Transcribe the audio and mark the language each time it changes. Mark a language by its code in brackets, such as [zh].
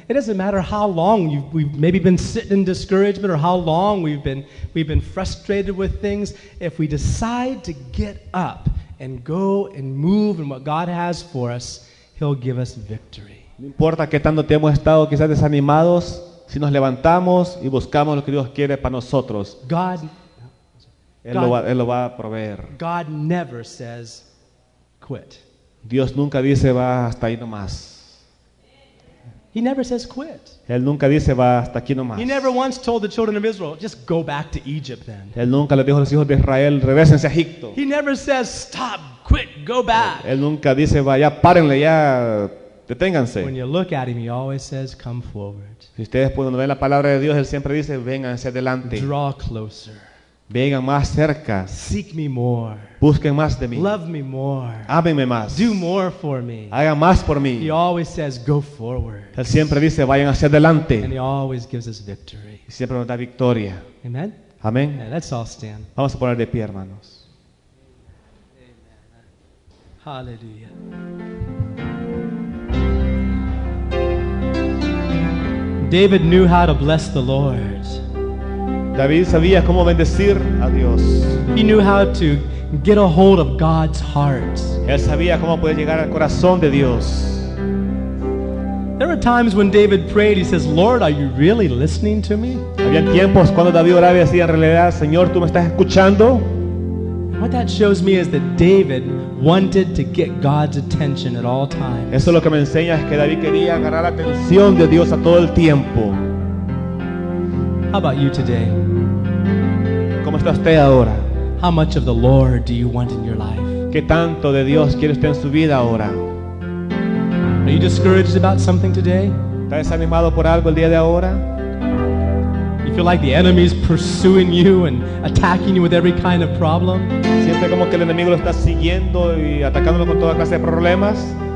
[en] It doesn't matter how long we've maybe been sitting in discouragement or how long we've been frustrated with things. If we decide to get up and go and move in what God has for us, He'll give us victory. [es] No importa qué tanto tiempo hemos estado quizás desanimados, si nos levantamos y buscamos lo que Dios quiere para nosotros. God, él lo va a proveer. [en] God never says quit. [es] Dios nunca dice va hasta ahí nomás. [en] He never says quit. [es] Él nunca dice va hasta aquí nomás. [en] He never once told the children of Israel, just go back to Egypt then. [es] Él nunca le dijo a los hijos de Israel, regresense a Egipto. [en] He never says stop, quit, go back. [es] Él nunca dice vaya, párenle ya, deténganse. [en] When you look at him, he always says come forward. [es] Si ustedes pueden ver la palabra de Dios, él siempre dice vengan hacia adelante. [en] Draw closer. [es] Vengan más cerca. [en] Seek me more. [es] Busquen más de mí. [en] Love me more. [es] Ámenme más. [en] Do more for me. [es] Hagan más por mí. [en] He always says, go forward. [es] Él siempre dice, vayan hacia adelante. [en] And he always gives us victory. [es] Y siempre nos da victoria. [en] Amen. [es] Amén. [en] Yeah, let's all stand. [es] Vamos a poner de pie, hermanos. [en] Amen. Hallelujah. David knew how to bless the Lord. [es] David sabía cómo bendecir a Dios. [en] He knew how to get a hold of God's heart. [es] Él sabía cómo puede llegar al corazón de Dios. [en] There were times when David prayed, he says, Lord, are you really listening to me? [es] Había tiempos cuando David oraba y decía, en realidad, Señor, ¿tú me estás escuchando? [en] What that shows me is that David wanted to get God's attention at all times. [es] Eso lo que me enseña es que David quería agarrar la atención de Dios a todo el tiempo. [en] How about you today? [es] ¿Cómo está usted ahora? [en] How much of the Lord do you want in your life? [es] ¿Qué tanto de Dios quiere usted en su vida ahora? [en] Are you discouraged about something today? [es] ¿Está desanimado por algo el día de ahora? [en] You feel like the enemy is pursuing you and attacking you with every kind of problem? [es] ¿Siente como que el enemigo lo está siguiendo y atacándolo con toda clase de problemas?